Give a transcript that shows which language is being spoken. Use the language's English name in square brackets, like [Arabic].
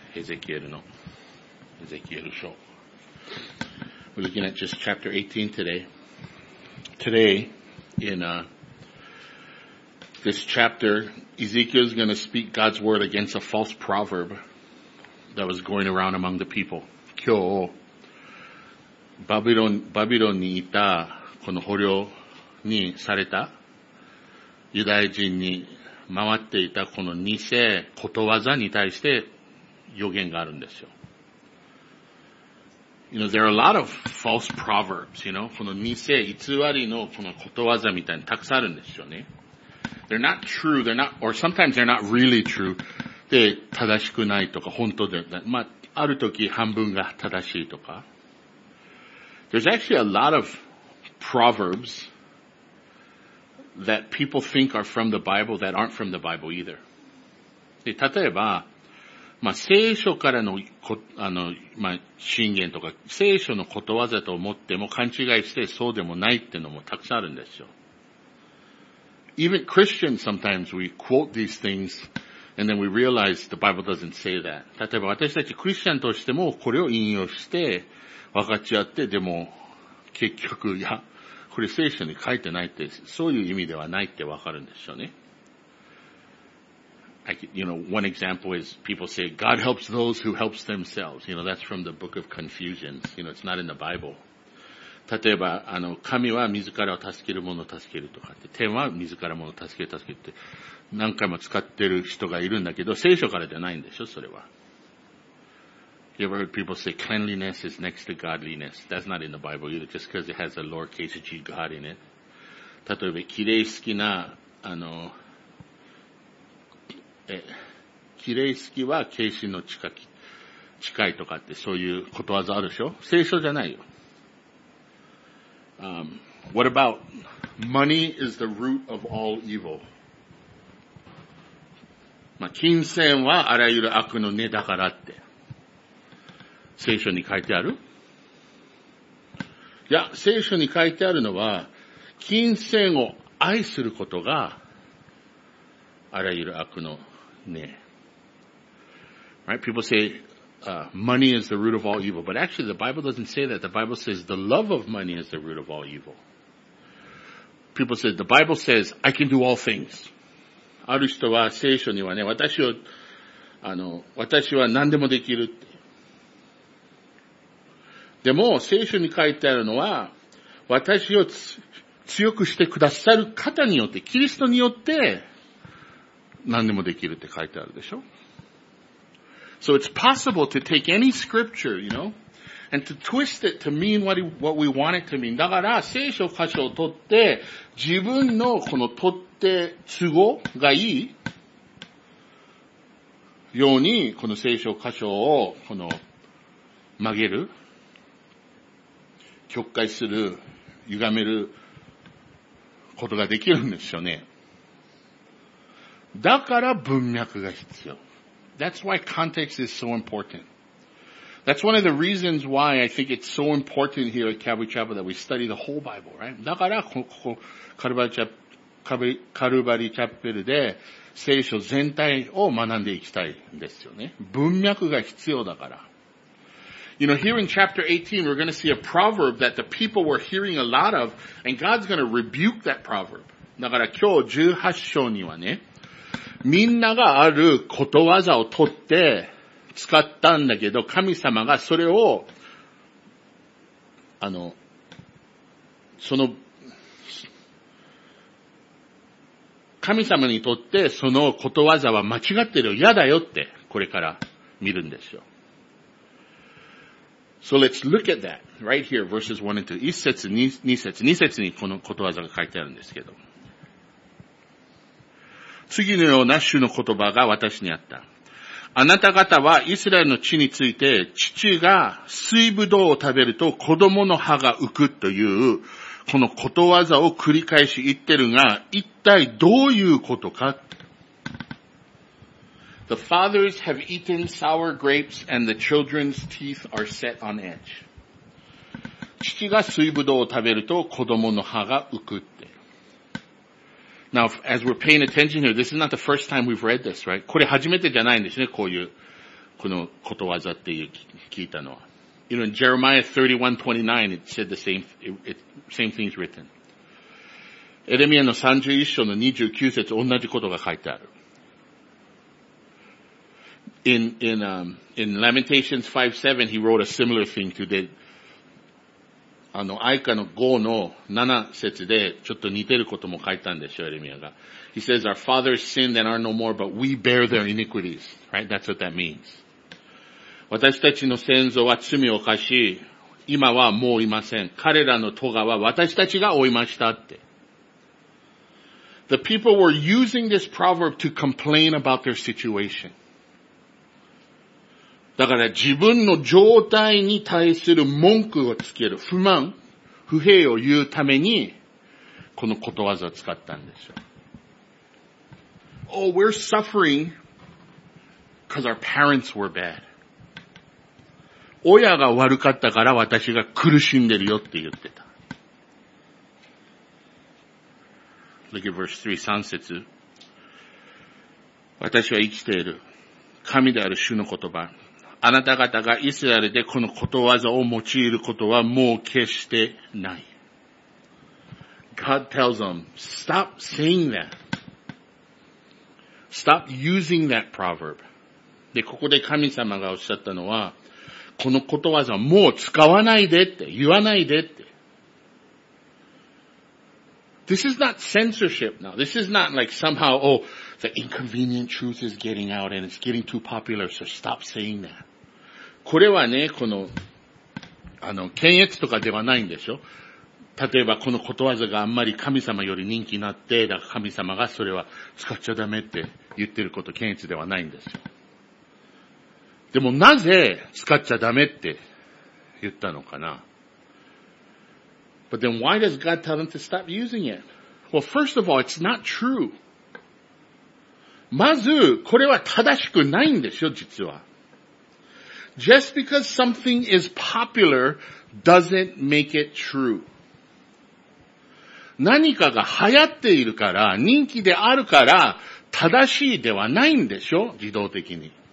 [Japanese] ヘゼキエルの、ヘゼキエル書。 [English] We're looking at just chapter 18 today. Today, in this chapter, Ezekiel is going to speak God's word against a false proverb that was going around among the people. [Japanese] 今日、バビロンにいたこの捕虜にされたユダヤ人に回っていたこの偽ことわざに対して予言があるんですよ。 [English] You know, there are a lot of false proverbs, you know, [Japanese] この偽りのこのことわざみたいにたくさんあるんですよね。 [English] They're not true, they're not, or sometimes they're not really true. [Japanese] で、正しくないとか、本当で、まあ、ある時半分が正しいとか。 [English] There's actually a lot of proverbs that people think are from the Bible that aren't from the Bible either. [Japanese] で、例えば、まあ、聖書からの、まあ、箴言とか、聖書のことわざと思っても勘違いしてそうでもないっていうのもたくさんあるんですよ。 [English] Even Christians sometimes we quote these things and then we realize the Bible doesn't say that. [Japanese] 例えば私たちクリスチャンとしてもこれを引用して分かち合って、でも結局、いや、これ聖書に書いてないって、そういう意味ではないって分かるんですよね。 [English] One example is people say, God helps those who helps themselves. You know, that's from the book of Confusions. You know, it's not in the Bible. [Japanese] 例えば、神は自らを助ける者を助けるとかって、天は自ら者を助ける助けるって、何回も使ってる人がいるんだけど、聖書からじゃないんでしょ、それは。 [English] You ever heard people say, cleanliness is next to godliness? That's not in the Bible either, just because it has a lowercase g God in it. [Japanese] 例えば、綺麗好きな、綺麗好きは敬神の近いとかって、そういうことわざあるでしょ、聖書じゃないよ。 [English] What about money is the root of all evil? [Japanese] まあ、金銭はあらゆる悪の根だからって聖書に書いてある？いや、聖書に書いてあるのは金銭を愛することがあらゆる悪の根。 [English] Right? People say, money is the root of all evil. But actually, the Bible doesn't say that. The Bible says the love of money is the root of all evil. People say, the Bible says, I can do all things. [Japanese] ある人は聖書にはね、私は何でもできるって。でも、聖書に書いてあるのは、私を強くしてくださる方によって、キリストによって、何でもできるって書いてあるでしょ。 [English] So it's possible to take any scripture, you know, and to twist it to mean what we want it to mean. [Japanese] だから、聖書箇所を取って、自分のこの取って都合がいいように、この聖書箇所をこの曲げる、曲解する、歪めることができるんですよね。だから文脈が必要。 [English] That's why context is so important. That's one of the reasons why I think it's so important here at Calvary Chapel that we study the whole Bible, right? [Japanese] だから、ここ、カルバリチャペルで聖書全体を学んでいきたいんですよね。文脈が必要だから。 [English] You know, here in chapter 18, we're going to see a proverb that the people were hearing a lot of, and God's going to rebuke that proverb. [Japanese] だから今日18章にはね、みんながあることわざを取って使ったんだけど、神様がそれを、神様にとってそのことわざは間違ってるよ、嫌だよって、これから見るんですよ。 [English] So let's look at that, right here, verses 1 and 2. [Japanese] 1節、2節、2節にこのことわざが書いてあるんですけど。次のような主の言葉が私にあった。あなた方はイスラエルの地について、父が水ぶどうを食べると子供の歯が浮くという、このことわざを繰り返し言ってるが、一体どういうことか？ [English] The fathers have eaten sour grapes and the children's teeth are set on edge. [Japanese] 父が水ぶどうを食べると子供の歯が浮くって。 [English] Now, as we're paying attention here, this is not the first time we've read this, right? [Japanese] これ初めてじゃないんですね、こういう、このことわざっていう聞いたのは。 [English] You know, in Jeremiah 31:29, it said the same, same thing is written. [Japanese] エレミアの31章の29節、同じことが書いてある。 [English] In Lamentations 5:7, he wrote a similar thing to the, [Japanese] あの、アイカの5の7節で、ちょっと似てることも書いたんでしょ、エレミアが。 [English] He says, our fathers sinned and are no more, but we bear their iniquities. Right? That's what that means. [Japanese] 私たちの先祖は罪を犯し、今はもういません。彼らの咎は私たちが負いましたって。 [English] The people were using this proverb to complain about their situation. [Japanese] だから自分の状態に対する文句をつける、不満、不平を言うために、このことわざを使ったんですよ。 [English] Oh, we're suffering because our parents were bad. [Japanese] 親が悪かったから私が苦しんでるよって言ってた。 [English] Look at verse 3, [Japanese] 三節。私は生きている。神である主の言葉。あなた方がイスラエルでこのことわざを用いることはもう決してない。 [English] God tells them, stop saying that. Stop using that proverb. [Japanese] で、ここで神様がおっしゃったのは、このことわざはもう使わないでって、言わないでって。 [English] This is not censorship now. This is not like somehow, oh, the inconvenient truth is getting out and it's getting too popular, so stop saying that. [Japanese] これはね、この、あの、検閲とかではないんでしょ。例えばこのことわざがあんまり神様より人気になって、だから神様がそれは使っちゃダメって言ってること、検閲ではないんですよ。でもなぜ使っちゃダメって言ったのかな? [English] But then why does God tell them to stop using it? Well, first of all, it's not true. [Japanese] まずこれは正しくないんでしょ、実は。 [English] Just because something is popular doesn't make it true. [Japanese] 何かが流行っているから、人気であるから正しいではないんでしょ、自動的に。